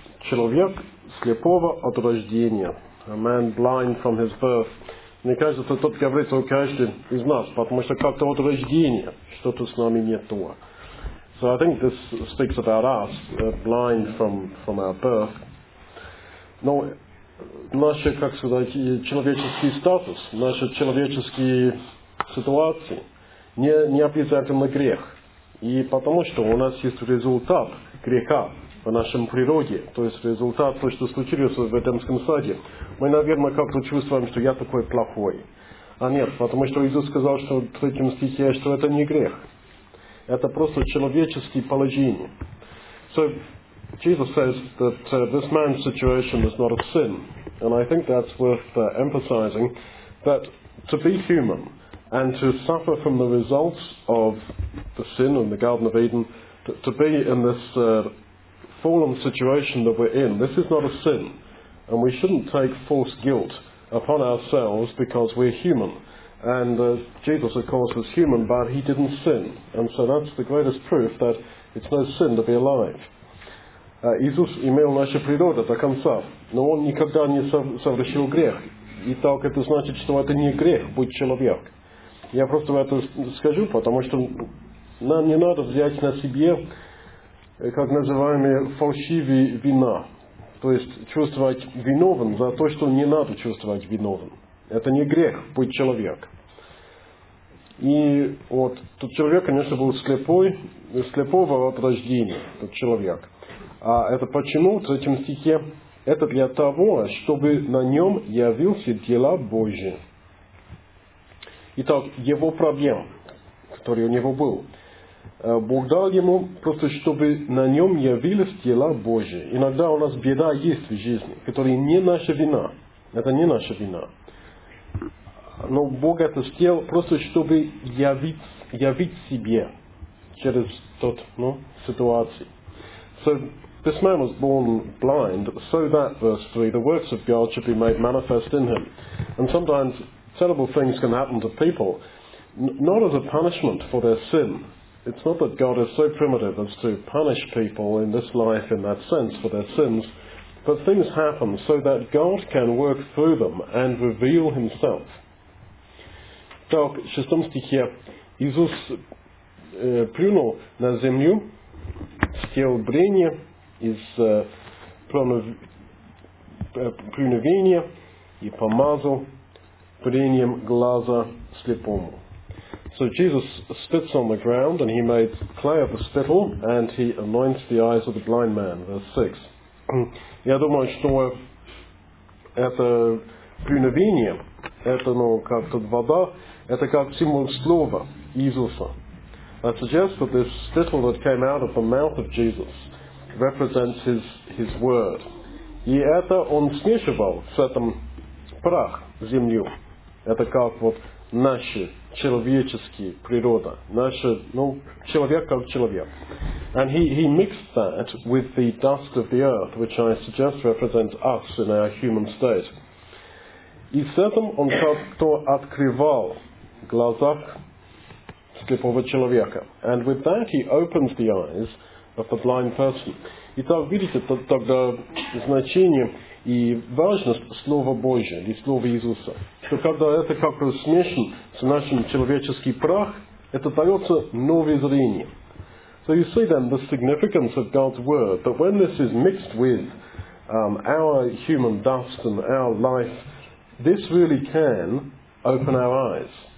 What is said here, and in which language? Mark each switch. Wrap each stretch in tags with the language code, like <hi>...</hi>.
<ru>Человек слепого от рождения.</ru> <en>A man blind from his birth.</en> <ru>Мне кажется, тот говорит о каждой из нас, потому что как-то от рождения что-то с нами не то.</ru> <en>So I think this speaks about us, blind from our birth.</en> <ru>Но наш, как сказать, человеческий статус, наши человеческие ситуации не обязательно грех. И потому что у нас есть результат греха в нашем природе, то есть результат того, что случилось в Эдемском саде, мы, наверное, как-то чувствуем, что я такой плохой. А нет, потому что Иисус сказал, что в третьем стихе, что это не грех. Это просто человеческие положения.</ru> <en>So, Jesus says that this man's situation is not a sin. And I think that's worth emphasizing that to be human and to suffer from the results of the sin in the Garden of Eden, to be in this fallen situation that we're in, this is not a sin. And we shouldn't take false guilt upon ourselves because we're human. And Jesus, of course, was human, but he didn't sin. And so that's the greatest proof that it's no sin to be alive.</en> <ru>Иисус имел нашу природу до конца, но Он никогда не совершил грех. И так это значит, что это не грех быть человек. Я просто это скажу, потому что нам не надо взять на себе, как называемые, фальшивые вина. То есть чувствовать виновен за то, что не надо чувствовать виновен. Это не грех быть человек. И вот тот человек, конечно, был слепой, слепого от рождения, тот человек. А это почему в третьем стихе? Это для того, чтобы на нем явился дела Божьи. Итак, его проблем, который у него был, Бог дал ему просто, чтобы на нем явились дела Божьи. Иногда у нас беда есть в жизни, которая не наша вина. Это не наша вина. Но Бог это сделал просто, чтобы явить себе через тот, ну, ситуацию.</ru> <en>So, this man was born blind, so that, verse 3, the works of God should be made manifest in him. And sometimes terrible things can happen to people, not as a punishment for their sin. It's not that God is so primitive as to punish people in this life in that sense for their sins, but things happen so that God can work through them and reveal himself.</en> <ru>Так, в шестом стихе, Иисус плюнул на землю, съел бренье, из плюновения и помазал брением глаза слепому.</ru> <en>So Jesus spits on the ground and he made clay of the spittle and he anoints the eyes of the blind man. Verse 6.</en> <ru>Я думаю, что это плюновение, это, ну, как-то вода, это как символ слова Иисуса.</ru> <en>I suggest that this spittle that came out of the mouth of Jesus represents his word.</en> <ru>И это он смешивал с этим прах землю. Это как вот наша человеческая природа. Наша, ну, человек как человек.</ru> <en>And he mixed that with the dust of the earth, which I suggest represents us in our human state.</en> <ru>И с этим он как-то открывал глаза слепого человека.</ru> <en>And with that he opens the eyes of the blind person.</en> <ru>Итак, видите, тогда значение и важность Слова Божия, или Слова Иисуса, что когда это как-то смешан с нашим человеческим прах, это дается новое зрение.</ru> <en>So you see then the significance of God's Word, that when this is mixed with our human dust and our life, this really can open our eyes.</en>